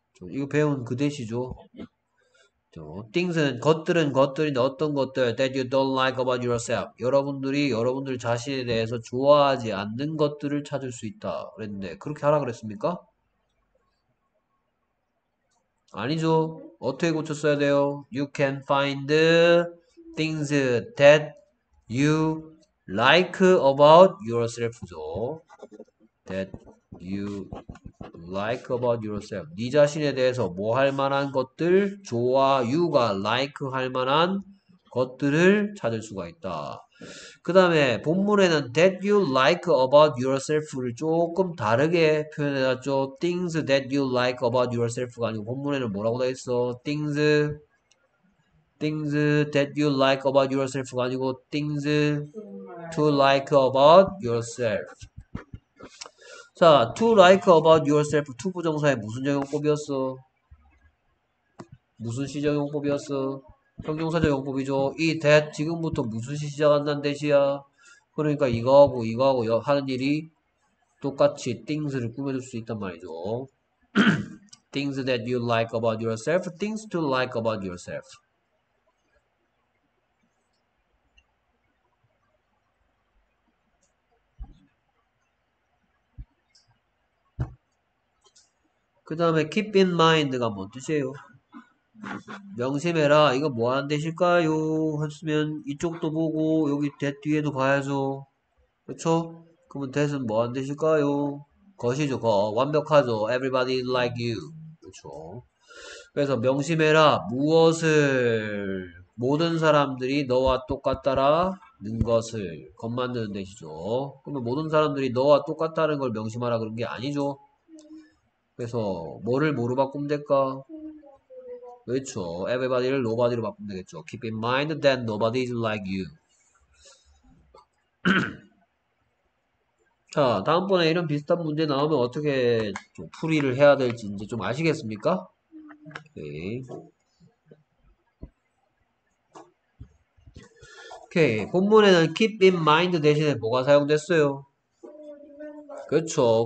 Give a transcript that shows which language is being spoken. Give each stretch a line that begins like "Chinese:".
Korean: 이거 배운 그 대시죠. things는 것들은 것들인데 어떤 것들
English: that you don't like about yourself.
Korean: 여러분들 자신에 대해서 좋아하지 않는 것들을 찾을 수 있다 그랬는데 그렇게 하라 그랬습니까? 아니죠. 어떻게 고쳤어야 돼요?
English: you can find things that you like about yourself죠. That you like about yourself.
Korean: 네 자신에 대해서 뭐할 만한 것들, 좋아, you가 like 할 만한 것들을 찾을 수가 있다. 그 다음에 본문에는
English: that you like about yourself를
Korean: 조금 다르게 표현해놨죠.
English: Things that you like about yourself가
Korean: 아니고 본문에는 뭐라고 돼 있어?
English: Things that you like about yourself가
Korean: 아니고
English: things to like about yourself.
Korean: 자,
English: to like about yourself,
Korean: to 부정사의 무슨 형용법이었어? 무슨 시제 형용법이었어? 형용사적 용법이죠. 이 that 지금부터 무슨 시 시작한다는 뜻이야. 그러니까 이거하고 하는 일이 똑같이 things를 꾸며줄 수 있단 말이죠.
English: things that you like about yourself, things to like about yourself.
Korean: 그 다음에 keep in mind가 뭔 뜻이에요? 명심해라. 이거 뭐 하는 뜻일까요? 했으면 이쪽도 보고 여기 that 뒤에도 봐야죠. 그렇죠? 그러면 that은 뭐 하는 뜻일까요? 것이죠. 거 완벽하죠.
English: Everybody like you.
Korean: 그렇죠? 그래서 명심해라. 무엇을 모든 사람들이 너와 똑같다라 는 것을 겁 만드는 뜻이죠. 그러면 모든 사람들이 너와 똑같다는 걸 명심하라 그런 게 아니죠. 그래서 뭐를 뭐로 바꾸면 될까? 그렇죠. Everybody를 nobody로 바꾸면 되겠죠.
English: Keep in mind that nobody is like you.
Korean: 자, 다음번에 이런 비슷한 문제 나오면 어떻게 좀 풀이를 해야 될지 이제 좀 아시겠습니까? 오케이. 오케이. 본문에는 keep in mind 대신에 뭐가 사용됐어요? 그렇죠.